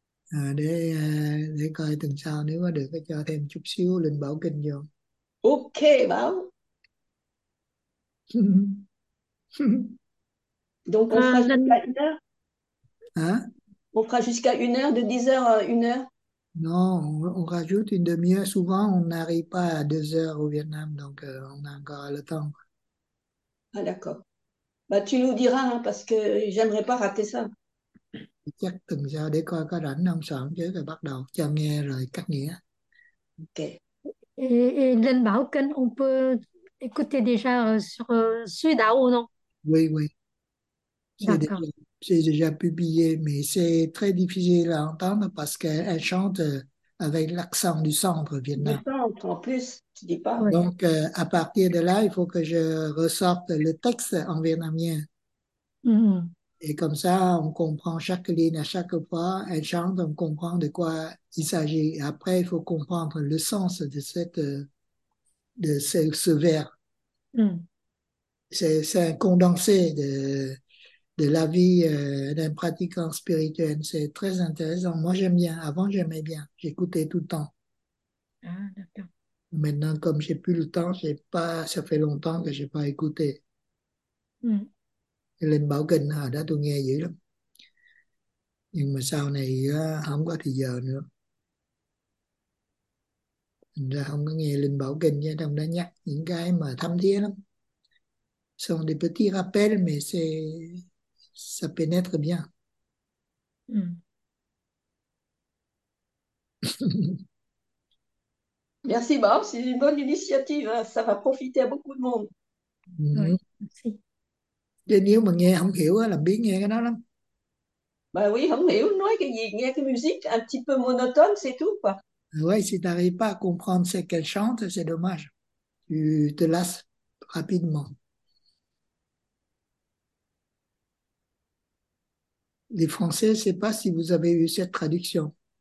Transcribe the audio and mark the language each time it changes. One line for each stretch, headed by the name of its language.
Vietnamese: À, để coi tuần sau nếu có được cho thêm chút xíu Linh Bảo Kinh vô. Ok, bảo. Linh
French: Donc on fera jusqu'à
Vietnamese: Linh
French: 1 heure.
Vietnamese: hả?
French: On fera jusqu'à 1 heure, de 10 heures à 1 heure. Non, on rajoute une demi-heure. Souvent, on n'arrive pas à 2 heures au Vietnam, donc on a encore le temps. Ah d'accord. Bah tu nous diras hein, parce que j'aimerais pas rater ça.
Vietnamese: Chắc tuần sau để coi có rảnh không, soạn chứ rồi bắt đầu cho nghe rồi cắt nghĩa. Ok.
French: Linh Bảo Kinh, on peut écouter déjà sur Suy Đạo ou non? Oui. C'est D'accord. déjà publié, mais c'est très difficile à entendre parce qu'elle chante avec l'accent du centre Du Vietnam. centre, en plus, tu dis pas. Oui. Donc, à partir de là, il faut que je ressorte le texte en vietnamien. Et comme ça, on comprend chaque ligne à chaque fois. Elle chante, on comprend de quoi il s'agit. Après, il faut comprendre le sens de ce vers. C'est un condensé de la vie d'un pratiquant spirituel. C'est très intéressant. Moi, j'aime bien. Avant, j'aimais bien. J'écoutais tout le temps. Maintenant, comme j'ai plus le temps, j'ai pas. Ça fait longtemps que j'ai pas écouté.
Vietnamese: Linh Bảo Kinh à, đó tôi nghe dữ lắm. Nhưng mà sau này không có thời giờ nữa. Mình ra không có nghe Linh Bảo Kinh nha, trong đó nhắc những cái mà thâm thiế lắm.
French: Sont des petits rappels, mais c'est ça pénètre bien. Merci Bob, c'est une bonne initiative, hein. Ça va profiter à beaucoup de monde. Oui, Merci.
Vietnamese: Chứ nếu mà nghe không hiểu là biết nghe cái đó lắm.
French: Bah oui,
Vietnamese: không hiểu, nói cái gì, nghe cái
French: musique un petit peu monotone, c'est tout quoi. Ouais, si tu n'arrives pas à comprendre ce qu'elle chante, c'est dommage. Tu te lasses rapidement. Les Français, je ne sais pas si vous avez eu cette traduction.